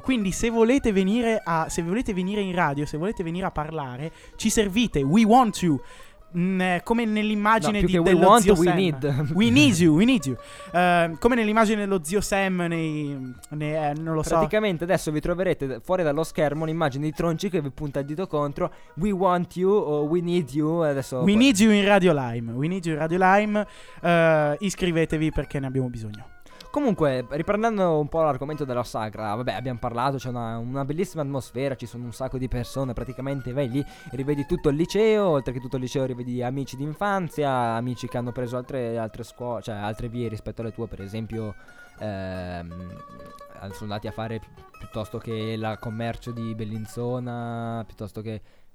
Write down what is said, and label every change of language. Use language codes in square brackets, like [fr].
[it] Quindi se volete venire in radio a parlare, ci servite. [en] We want you. [it] Come nell'immagine dello zio Sam. [en] We need you. [it] Come nell'immagine dello zio Sam non lo so. Praticamente adesso vi troverete fuori dallo schermo un'immagine di Tronci che vi punta il dito contro. [en] We want you o we need you. Adesso we need you in Radio Lime. We need you in Radio Lime. [it] Iscrivetevi perché ne abbiamo bisogno. Comunque, riprendendo un po' l'argomento della sagra, vabbè, abbiamo parlato, c'è una bellissima atmosfera, ci sono un sacco di persone, praticamente vai lì, rivedi tutto il liceo, oltre che tutto il liceo rivedi amici d'infanzia, amici che hanno preso altre scuole, cioè altre vie rispetto alle tue, per esempio, sono andati a fare piuttosto che la commercio di Bellinzona, piuttosto che...